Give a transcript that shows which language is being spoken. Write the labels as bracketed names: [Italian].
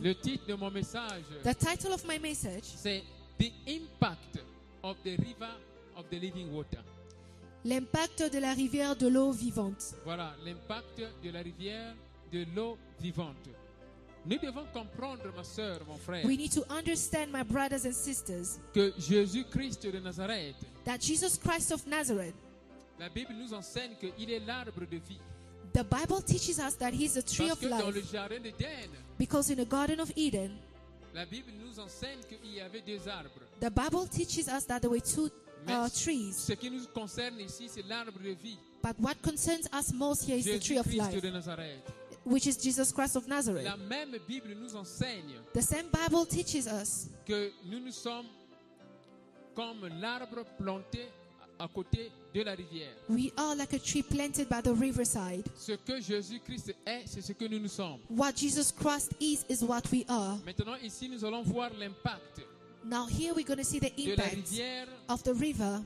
[French] Le titre de mon message. [English] The title of my message. C'est The Impact of the River of the Living Water. [French] L'impact de la rivière de l'eau vivante. Voilà, l'impact de la rivière de l'eau vivante. Nous devons comprendre, ma sœur, mon frère. [English] We need to understand, my brothers and sisters. [French] Que Jésus Christ de Nazareth. [English] That Jesus Christ of Nazareth. [French] La Bible nous enseigne que il est l'arbre de vie. [English] The Bible teaches us that he is a tree [French] Parce que [English] of life. [French] Dans le jardin d'Eden, [English] because in the Garden of Eden, [French] la Bible nous enseigne qu'il y avait deux arbres. [English] The Bible teaches us that there were two trees. [French] Ce qui nous concerne ici, c'est l'arbre de vie. [English] But what concerns us most here is [French] Jésus [English] the tree [French] Christ [English] of life, [French] de Nazareth. [English] Which is Jesus Christ of Nazareth. [French] La même Bible nous enseigne [English] the same Bible teaches us [French] que nous sommes comme l'arbre planté à côté de la rivière. [English] We are like a tree planted by the riverside. [French] Ce que Jésus Christ est, c'est ce que nous nous sommes. [English] What Jesus Christ is what we are. [French] Maintenant ici nous allons voir l'impact. [English] Now here we're going to see the impact of the river,